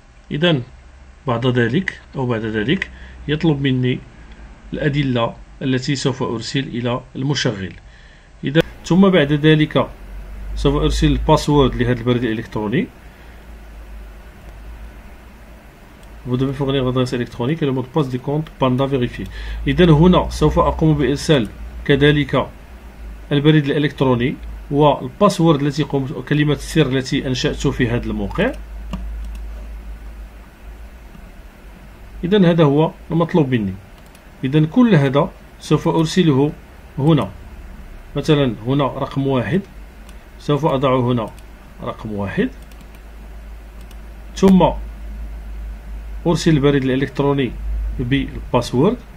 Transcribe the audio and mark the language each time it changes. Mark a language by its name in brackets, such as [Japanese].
[Arabic] إذن بعد ذلك أو بعد ذلك يطلب مني الأدلة التي سوف أرسل إلى المشغل. إذن ثم بعد ذلك سوف أرسل الباسورد لهذا البريد الإلكتروني. [French] Vous devez fournir l'adresse électronique et le mot de passe du compte Panda vérifié. [Arabic] إذن هنا سوف أقوم بإرسال كذلك البريد الإلكتروني والباسورد التي قمت كلمة السر التي أنشأت في هذا الموقع. إذن هذا هو المطلوب مني. إذن كل هذا سوف أرسله هنا، مثلا هنا رقم واحد، سوف أضع هنا رقم واحد، ثم أرسل البريد الإلكتروني بالباسورد.